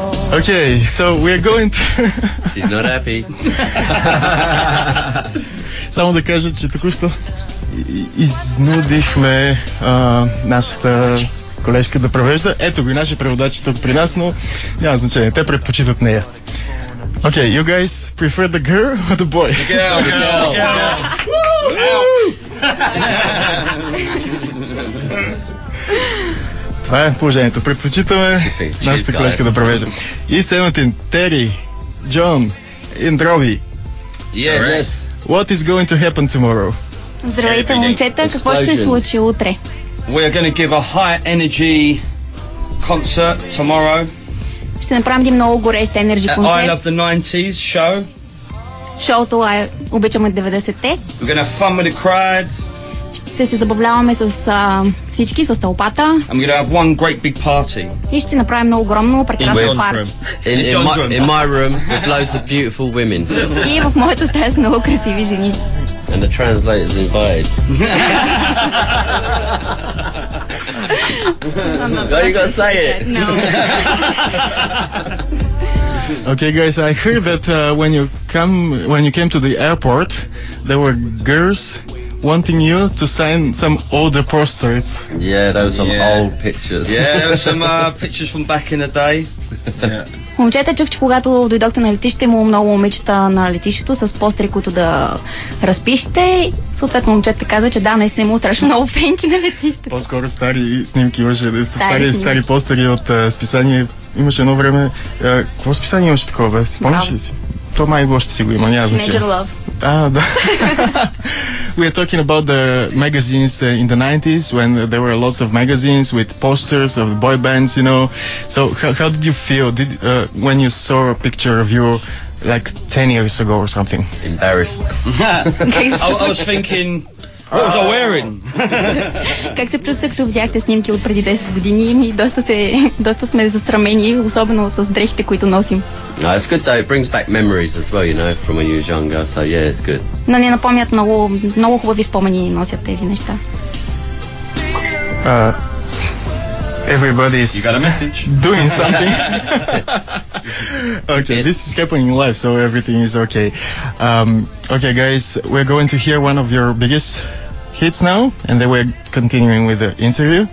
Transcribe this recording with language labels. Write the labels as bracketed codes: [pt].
[en] Okay, so we're going to... She's not happy. [bg] Само да кажа, че току-що изнудихме нашата колежка да превежда. Ето го и нашия преводач тук при нас, но няма значение. Те предпочитат нея. [en] Okay, you guys prefer the girl or the boy? The girl! The girl! The girl. Woo! [bg] Това е положението. Предпочитаме нашата колежка да превежда. И 17, Terry, John and Robbie. [en] Yes. Yes. What is going to happen tomorrow? [bg] Здравейте, момчета. Какво ще се случи утре? [en] We are going to give a high energy concert tomorrow. [bg] Ще направим един много горещ [en] energy concert. I love the 90s show. [bg] Шоуто е обичаме 90-те. [en] We're going to have fun with the crowd. [bg] Ще се забавляваме с всички, с тълпата. [en] I'm going to have one great big party. [bg] И ще направим много огромно, прекрасно парти. [en] In my room with loads of beautiful women. [bg] И в моята стая с много красиви жени. [en] And the translator's invited. No, you gotta say it. No. Okay, guys, I heard that when you came to the airport, there were girls wanting you to sign some older posters. Yeah, there were some old pictures. Yeah, there were some pictures from back in the day. [bg] Момчета, чух, че когато дойдохте на летище, имало много момичета на летището с постери, които да разпишете. Съответно, момчета каза, че да, наистина имало страшно много фенки на летището. По-скоро стари снимки имаше, стари постери от списание. Имаше едно време... Какво списание имаше такова, бе? Помниш ли си? То май го още си го има, няма значение. [en] Major Love. [bg] А, да. [en] We are talking about the magazines in the 90s when there were lots of magazines with posters of boy bands, you know. So how did you feel when you saw a picture of you like 10 years ago or something? Embarrassed. I was thinking, what was I wearing? [bg] Как се чувствахте, видяхте снимки от преди 10 години и доста сме застрамени, особено с дрехите, които носим. [en] No, it's good though. It brings back memories as well, you know, from when you were younger. So yeah, it's good. [bg] Но ни напомнят много, много хубави спомени носят тези неща. [en] Everybody's... You got a message. Doing something. Okay, this is happening live, so everything is okay. Okay, guys, we're going to hear one of your biggest hits now, and then we're continuing with the interview.